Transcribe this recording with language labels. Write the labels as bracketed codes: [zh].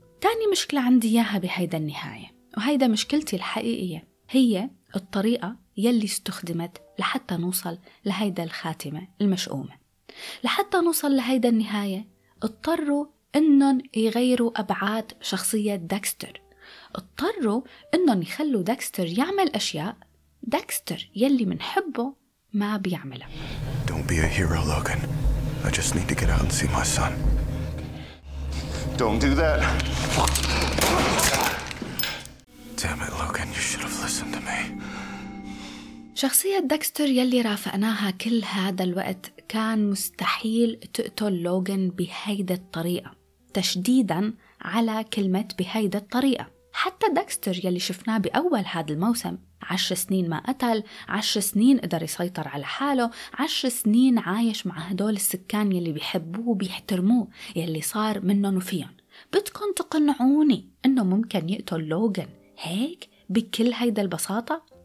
[ar] تاني مشكلة عندي إياها بهيدا النهاية، وهيدا مشكلتي الحقيقية، هي الطريقة يلي استخدمت لحتى نوصل لهيدا الخاتمة المشؤومة. لحتى نوصل لهيدا النهاية اضطروا إنهم يغيروا أبعاد شخصية داكستر، اضطروا إنهم يخلوا داكستر يعمل أشياء داكستر يلي منحبه ما بيعملها. [en] Don't be a hero, Logan. I just need to get out and see my son. Don't do that. Damn it, Logan, you should have listened to me. [ar] شخصية داكستر يلي رافقناها كل هذا الوقت كان مستحيل تقتل لوغان بهيدا الطريقة، تشديدا على كلمة بهيدا الطريقة. حتى داكستر يلي شفناه بأول هذا الموسم 10 سنين ما قتل، 10 سنين قدر يسيطر على حاله، 10 سنين عايش مع هدول السكان يلي بيحبوه وبيحترموه يلي صار منهم وفيهم، بدكن تقنعوني انه ممكن يقتل لوغان هيك بكل هيدا البساطة؟